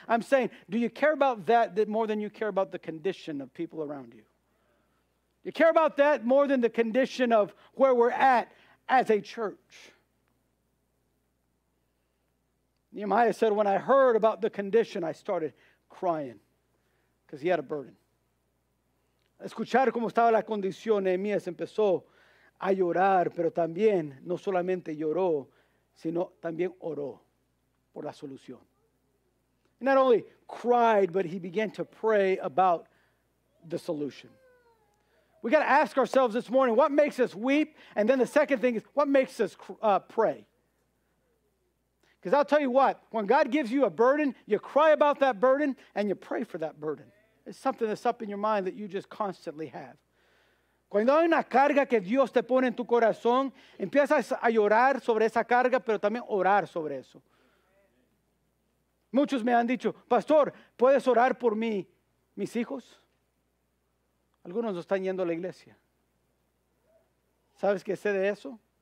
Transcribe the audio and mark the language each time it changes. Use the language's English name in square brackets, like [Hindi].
[English] I'm saying, do you care about that more than you care about the condition of people around you? You care about that more than the condition of where we're at as a church? Nehemiah said, when I heard about the condition, I started crying because he had a burden. [Spanish] Escuchar cómo estaba la condición, Nehemías empezó a llorar, pero también no solamente lloró, sino también oró por la solución. [English] He not only cried, but he began to pray about the solution. We got to ask ourselves this morning, what makes us weep? And then the second thing is, what makes us pray? Because I'll tell you what, when God gives you a burden, you cry about that burden and you pray for that burden. It's something that's up in your mind that you just constantly have. [Spanish] Cuando hay una carga que Dios te pone en tu corazón, empiezas a llorar sobre esa carga, pero también orar sobre eso. Muchos me han dicho, pastor, ¿puedes orar por mí, mis hijos? Algunos no están yendo a la iglesia. ¿Sabes qué sé de eso?